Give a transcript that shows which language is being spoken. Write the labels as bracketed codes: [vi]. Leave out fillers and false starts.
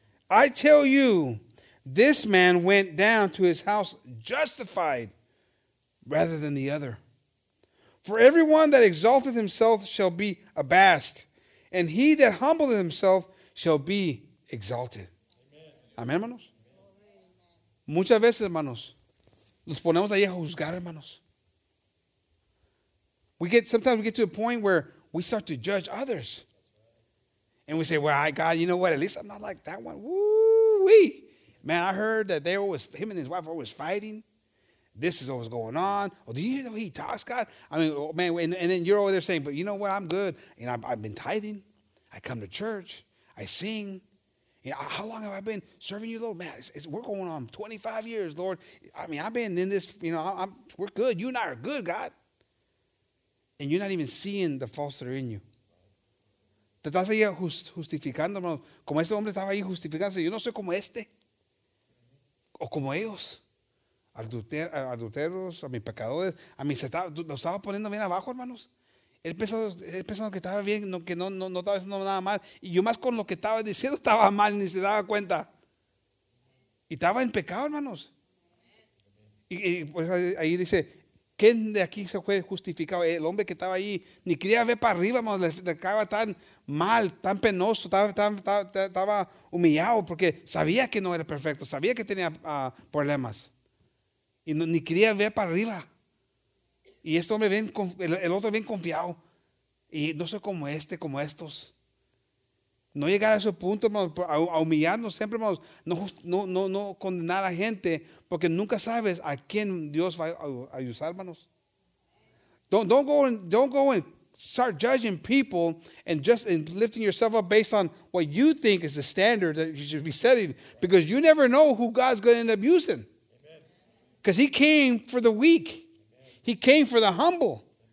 [en] I tell you, this man went down to his house justified rather than the other. For everyone that exalteth himself shall be abased, and he that humbleth himself shall be exalted. [es] Amen, hermanos. Muchas veces, hermanos, nos ponemos ahí a juzgar, hermanos. [en] Sometimes we get to a point where we start to judge others. And we say, well, God, you know what? At least I'm not like that one. Woo-wee. Man, I heard that they always, him and his wife always fighting. This is always going on. Oh, do you hear the way he talks, God? I mean, oh, man, and then you're over there saying, but you know what? I'm good. You know, I've been tithing. I come to church. I sing. You know, how long have I been serving you, Lord? Man, we're going on 25 years, Lord. I mean, I've been in this, you know, we're good. You and I are good, God. And you're not even seeing the faults that are in you. [es] Te estás ahí justificando, hermano. Como este hombre estaba ahí justificándose. Yo no soy como este. O como ellos. Adulteros, a mis pecadores. A mí se estaba, lo estaba poniendo bien abajo, hermanos. Él pensando que estaba bien, que no estaba haciendo nada mal. Y yo más con lo que estaba diciendo estaba mal, ni se daba cuenta. Y estaba en pecado, hermanos. Y pues ahí dice, ¿quién de aquí se fue justificado? El hombre que estaba ahí, ni quería ver para arriba, hermanos, le acaba tan mal, tan penoso, estaba humillado porque sabía que no era perfecto, sabía que tenía problemas. Y no, ni quería ver para arriba. Y este hombre bien, el otro bien confiado. Y no soy como este, como estos. No llegar a ese punto, hermanos, a humillarnos siempre, hermanos. No condenar a gente, porque nunca sabes a quién Dios va a usar, hermanos. [en] Don't go and start judging people and just and lifting yourself up based on what you think is the standard that you should be setting, because you never know who God's going to end up using. Because He came for the weak. He came for the humble.